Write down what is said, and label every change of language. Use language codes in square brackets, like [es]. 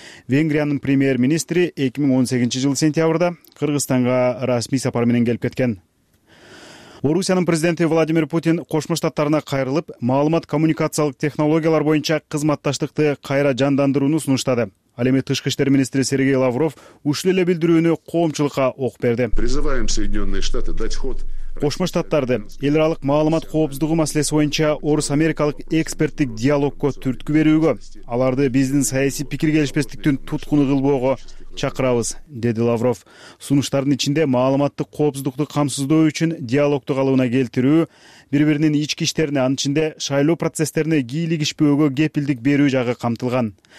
[ky] Венгриянын премьер-министри 2018 жылы сентябрда Кыргызстанга расмий сапар менен келип кеткен. Орусиянын президенти Владимир Путин Кошмо Штаттарына кайрылып, маалымат коммуникациялык технологиялар боюнча кызматташтыкты кайра жандандырууну сунуштады. Ал эми тышкы иштер министри Сергей Лавров ушул эле билдирүүнү коомчулукка окуп берди. [ru] Призываем Соединенные Штаты дать ход. [ky] Кошмо Штаттарды эл аралык маалымат коопсуздугу маселеси боюнча орус-америкалык эксперттик диалогко түрткү берүүгө, аларды биздин саясий пикир келишпестиктин туткуну кылбоого чакырабыз, деди Лавров. Сунуштардын ичинде маалыматтык коопсуздукту камсыздоо үчүн диалогту калыбына келтирүү, бири биринин ички иштерине, анын ичинде шайлоо процесстерине кийлигишпөөгө кепилдик берүү жагы камтылган.